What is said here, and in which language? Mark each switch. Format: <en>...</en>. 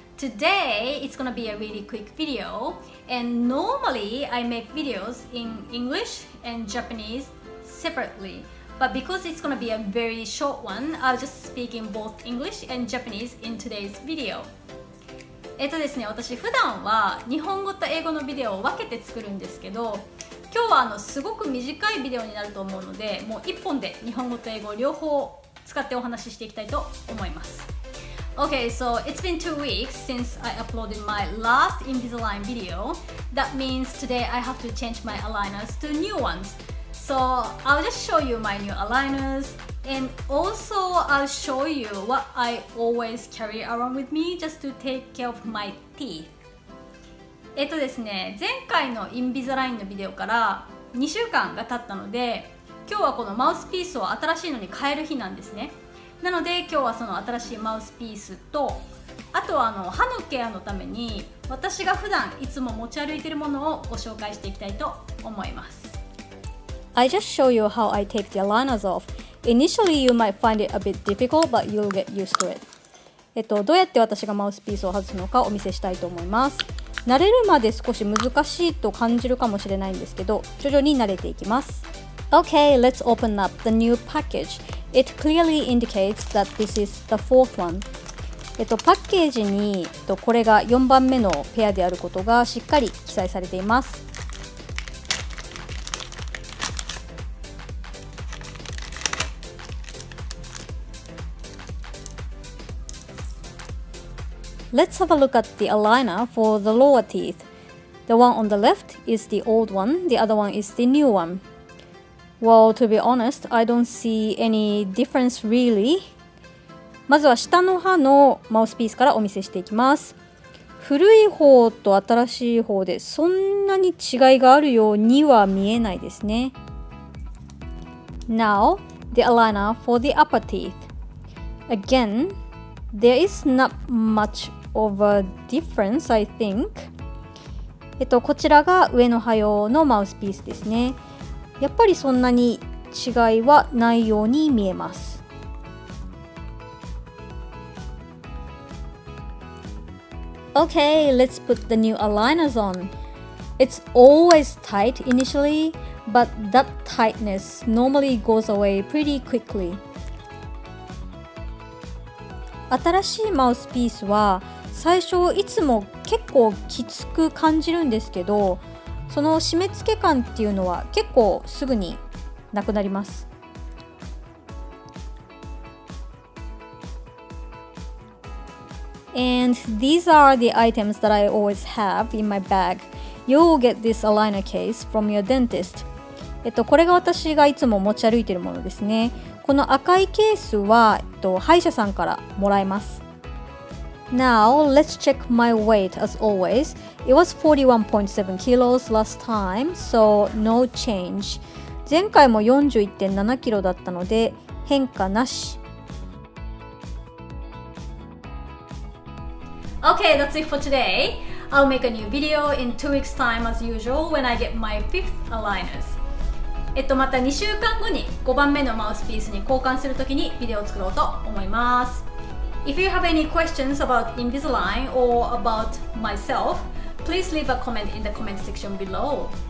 <en>Today, it's gonna be a really quick video. And normally, I make videos in English and Japanese separately. But because it's gonna be a very short one, I'll just speak in both English and Japanese in today's video.</en> <ja>ですね、私普段は日本語と英語のビデオを分けて作るんですけど、今日はすごく短いビデオになると思うので、もう1本で日本語と英語両方使ってお話ししていきたいと思います。</ja> <en>Okay, so it's been 2 weeks since I uploaded my last Invisalign video. That means today I have to change my aligners to new ones. So I'll just show you my new aligners and also I'll show you what I always carry around with me just to take care of my teeth.</en> <ja>ですね、前回のインビザラインのビデオから2週間が経ったので、今日はこのマウスピースを新しいのに変える日なんですね。なので今日はその新しいマウスピースと、あとは歯のケアのために私が普段いつも持ち歩いているものをご紹介していきたいと思います。</ja> <en>I just show you how I take the aligners off. Initially you might find it a bit difficult, but you'll get used to it.</en> <ja>どうやって私がマウスピースを外すのかお見せしたいと思います。慣れるまで少し難しいと感じるかもしれないんですけど、徐々に慣れていきます。</ja> <en>Okay, let's open up the new package. It clearly indicates that this is the fourth one.</en> <ja>パッケージに、これが4番目のペアであることがしっかり記載されています。</ja> <en>Let's have a look at the aligner for the lower teeth. The one on the left is the old one, the other one is the new one. Well, to be honest, I don't see any difference really.</en> <ja>まずは下の歯のマウスピースからお見せしていきます。古い方と新しい方でそんなに違いがあるようには見えないですね。</ja> <en>Now, the aligner for the upper teeth. Again,There is not much of a difference, I think.</en> <ja>こちらが上の歯用のマウスピースですね。やっぱりそんなに違いはないように見えます。</ja> <en>Okay, let's put the new aligners on. It's always tight initially, but that tightness normally goes away pretty quickly.</en> <ja>新しいマウスピースは最初いつも結構きつく感じるんですけど、その締め付け感っていうのは結構すぐになくなります。</ja> <en>And these are the items that I always have in my bag. You'll get this aligner case from your dentist.</en> <ja>これが私がいつも持ち歩いているものですね。この赤いケースは、歯医者さんからもらえます。</ja> <en>Now, let's check my weight as always. It was 41.7 kilos last time, so no change.</en> <ja>前回も 41.7 キロだったので、変化なし。</ja> <en>Okay, that's it for today. I'll make a new video in 2 weeks time as usual when I get my 5th aligners.</en> <ja>また2週間後に5番目のマウスピースに交換するときにビデオを作ろうと思います。</ja> <en>If you have any questions about Invisalign or about myself, please leave a comment in the comment section below.</en>